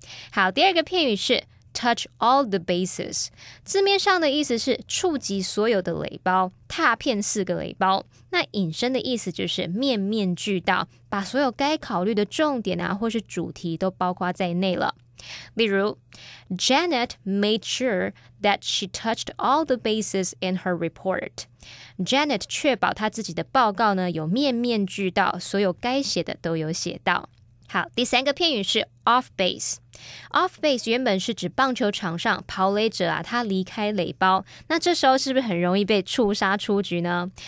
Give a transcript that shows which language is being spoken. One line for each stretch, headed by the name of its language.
Chinese: 好，第二个片语是。
English: Touch all the bases，
Chinese: 字面上的意思是触及所有的垒包，踏遍四个垒包。那引申的意思就是面面俱到，把所有该考虑的重点啊，或是主题都包括在内了。例如
English: ，Janet made sure that she touched all the bases in her report。
Chinese: Janet 确保她自己的报告呢有面面俱到，所有该写的都有写到。好，第三个片语是 off base。 off base 原本是指棒球场上跑垒者啊，他离开垒包，那这时候是不是很容易被触杀出局呢？